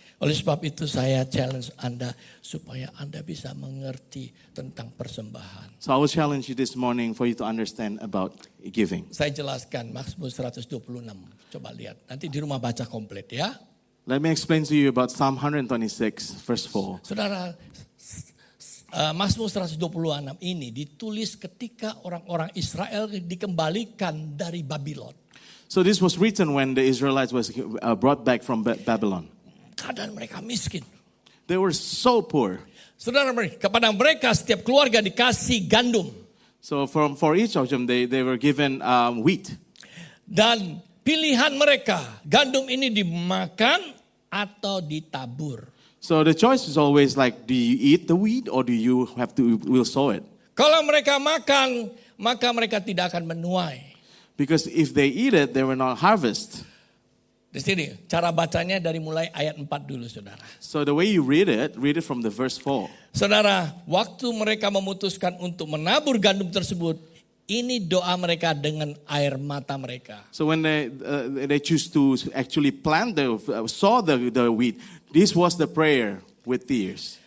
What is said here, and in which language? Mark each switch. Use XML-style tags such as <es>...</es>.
<id>Oleh sebab itu saya challenge Anda supaya Anda bisa mengerti tentang persembahan.</id> <en>So I will challenge you this morning for you to understand about giving.</en> <id>Saya jelaskan Mazmur 126. Coba lihat. Nanti di rumah baca komplit ya.</id> <en>Let me explain to you about Psalm 126, verse 4.</en> <id>Saudara, Mazmur 126 ini ditulis ketika orang-orang Israel dikembalikan dari Babylon.</id> <en>So this was written when the Israelites was brought back from Babylon.</en> <id>Keadaan mereka miskin.</id> <en>They were so poor.</en> <id>Saudara mereka, kepada mereka setiap keluarga dikasih gandum.</id> <en>So for each of them, they were given wheat.</en> <id>Dan pilihan mereka, gandum ini dimakan atau ditabur.</id> <en>So the choice is always like, do you eat the wheat or do you have to will sow it?</en> <id>Kalau mereka makan, maka mereka tidak akan menuai.</id> <en>Because if they eat it, they will not harvest.</en> <id>Di sini, cara bacanya dari mulai ayat 4 dulu, saudara.</id> <en>So the way you read it from the verse 4.</en> <id>Saudara, waktu mereka memutuskan untuk menabur gandum tersebut, ini doa mereka dengan air mata mereka.</id> <en>So when they choose to actually plant the wheat, this was the prayer with tears.</en>